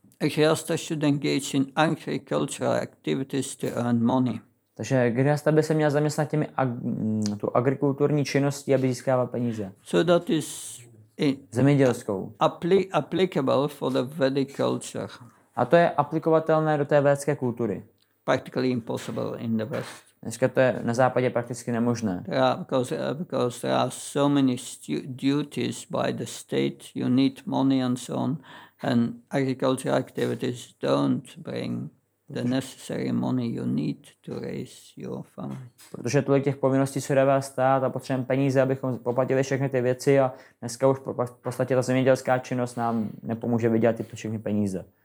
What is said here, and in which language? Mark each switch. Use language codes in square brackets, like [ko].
[en] A grihastha should engage in agricultural activities to earn money. [cs] Takže grihastha by se měl zaměstnat těmi tu agrikulturní činností, aby získával peníze. [en] So that is [cs] zemědělskou. [en] Applicable for the Vedic culture. [cs] A to je aplikovatelné do té védské kultury. [en] Practically impossible in the West. [cs] Dneska to je na západě prakticky nemožné. [en] Because there are so many duties by the state, you need money and so on, and agricultural activities don't bring the necessary money you need to raise your family. [cs] Protože tolik těch povinností se dává stát a potřebujeme peníze, abychom poplatili všechny ty věci a dneska už v podstatě ta zemědělská činnost nám nepomůže vydělat tyto všechny peníze.